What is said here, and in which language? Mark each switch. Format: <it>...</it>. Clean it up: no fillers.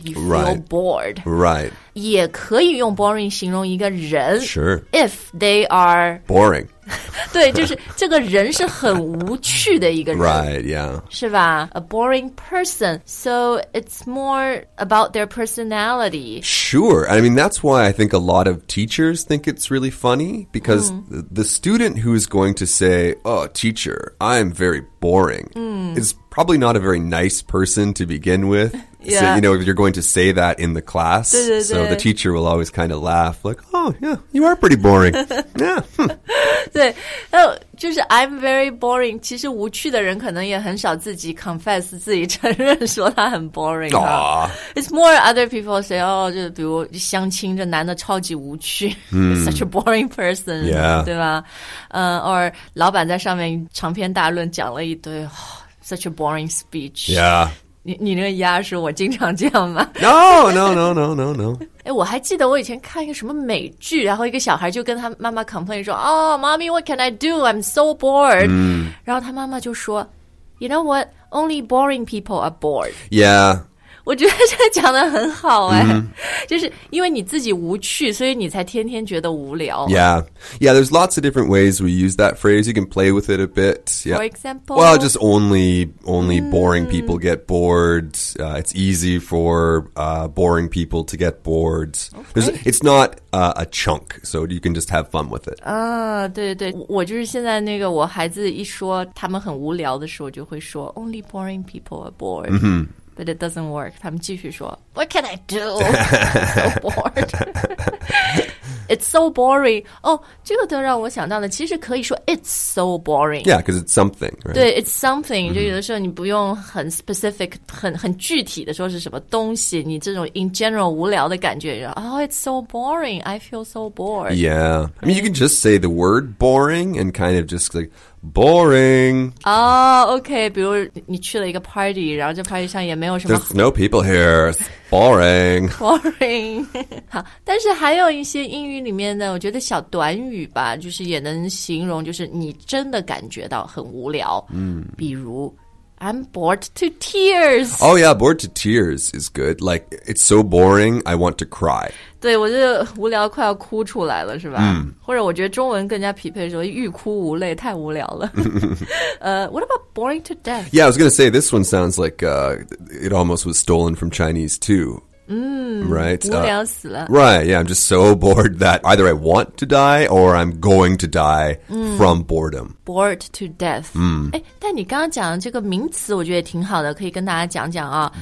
<en>You feel bored. Right.</en> <zh>也可以用 boring 形容一个人。</zh> <en>Sure. If they are boring.</en> <zh>对，就是这个人是很无趣的一个人。</zh> <en>Right, yeah. 是吧？A boring person. So it's more about their personality. Sure. I mean, that's why I think a lot of teachers think it's really funny. Because the student who is going to say, oh, teacher, I'm very boring, is probably not a very nice person to begin with. Yeah. So, you know, if you're going to say that in the class,</en> <zh>对对对</zh> <en>so the teacher will always kind of laugh, like, oh, yeah, you are pretty boring. Yeah. 对，就是 I'm very boring.</en> <zh>其实无趣的人可能也很少自己 confess 自己承认说他很 boring.、</zh> <en>It's more other people say, oh,</en> <zh>就比如相亲这男的超级无趣、</zh> <en>such a boring person,、</en> <zh>对吧？ or 老板在上面长篇大论讲了一堆、</zh> <en>such a boring speech. Yeah.</en> <zh>你那个鸭是我经常这样吗</zh> <en>No.</en> <zh>哎，我还记得我以前看一个什么美剧，然后一个小孩就跟他妈妈 complain 说</zh> <en>Oh, mommy, what can I do? I'm so bored.、</en> <zh>然后他妈妈就说</zh> <en>You know what? Only boring people are bored. Yeah.</en> <zh>我觉得这讲得很好哎、就是因为你自己无趣，所以你才天天觉得无聊。</zh> <en>Yeah. Yeah, there's lots of different ways we use that phrase. You can play with it a bit.、 For example? Well, just only boring people get bored.、it's easy for、boring people to get bored.、 Okay. It's not、a chunk, so you can just have fun with it.</en> <zh>啊、对对。我就是现在那个我孩子一说他们很无聊的时候就会说</zh> <en>only boring people are bored.、 But it doesn't work.</en> <zh>他们继续说</zh> <en>What can I do? I'm so bored. It's so boring.</en> <zh>Oh, 这个都让我想到了。其实可以说</zh> <en>It's so boring. Yeah, because it's something, right?</en> <zh>对</zh> <en>It's something.、</en> <zh>就有的时候你不用很 specific, 很具体的说是什么东西。你这种 in general 无聊的感觉</zh> <en>Oh, it's so boring. I feel so bored. Yeah. I mean, you can just say the word boring and kind of just like,Boring. Oh, okay.</en> <zh>比如你去了一个 party, 然后这 party 上也没有什么。</zh> <en>There's no people here. It's boring. Boring.</en> <zh>好，但是还有一些英语里面呢，我觉得小短语吧，就是也能形容，就是你真的感觉到很无聊。比如</zh> <en>I'm bored to tears. Oh, yeah, bored to tears is good. Like, it's so boring, I want to cry.</en> <zh>对，我觉得无聊快要哭出来了，是吧？或者我觉得中文更加匹配，说欲哭无泪，太无聊了。</zh> <en>What about boring to death? Yeah, I was going to say, this one sounds like it almost was stolen from Chinese, too. Right?</en> <zh>无聊死了。</zh> <en>Right, yeah, I'm just so bored that either I want to die or I'm going to die from boredom. Bored to death.</en> <zh>但你刚刚讲的这个名词我觉得挺好的，可以跟大家讲讲啊。</zh>